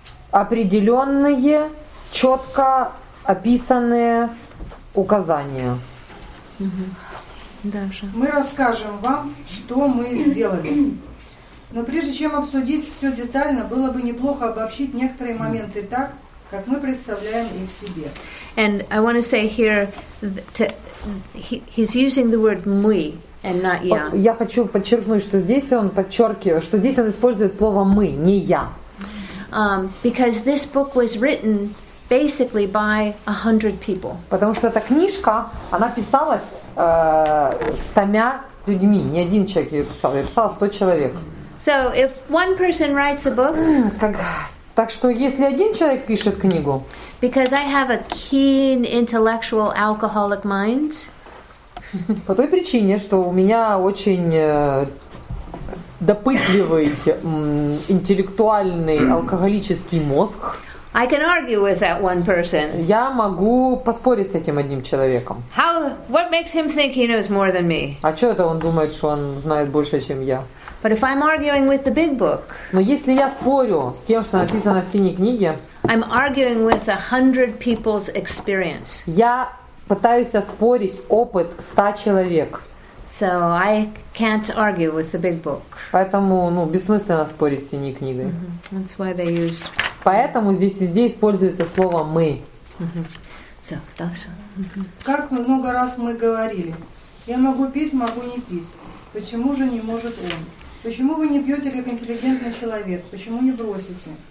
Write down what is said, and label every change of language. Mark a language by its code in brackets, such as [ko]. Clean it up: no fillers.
[ru] Определенные, четко описанные указания. Даша. Мы расскажем вам, что мы сделали. Но прежде чем обсудить все детально, было бы неплохо обобщить некоторые моменты так, как мы представляем их себе. [en] And I want to say here he's using the word мы and not я. [ru] Я хочу подчеркнуть, что здесь он подчеркивает, что здесь он использует слово мы, не я. [en] Because this book was written basically by 100 people. [ru] Потому что эта книжка, она писалась 100 людьми. Не один человек ее писал, я писала 100 человек. [en] So if one person writes a book, [ru] так что если один человек пишет книгу, [en] because I have a keen intellectual alcoholic mind, [ru] по той причине, что у меня очень допытливый интеллектуальный алкоголический мозг, [en] I can argue with that one person. [ru] Я могу поспорить с этим одним человеком. [en] How? What makes him think he knows more than me? [ru] А что это он думает, что он знает больше, чем я? [en] But if I'm arguing with the big book, [ru] но если я спорю с тем, что написано в синей книге, [en] I'm arguing with 100 people's experience. [ru] Я пытаюсь оспорить опыт 100 человек. [en] So I can't argue with the big book. [ru] Поэтому, ну, бессмысленно спорить с синей книгой. [en] Mm-hmm. That's why they used. [ru] Поэтому здесь используется слово мы. [en] Mm-hmm. So, [ru] дальше. [en] Mm-hmm. [ru] Как много раз мы говорили. Я могу пить, могу не пить. Почему же не может он? Почему вы не пьете, как интеллигентный человек? Почему не бросите?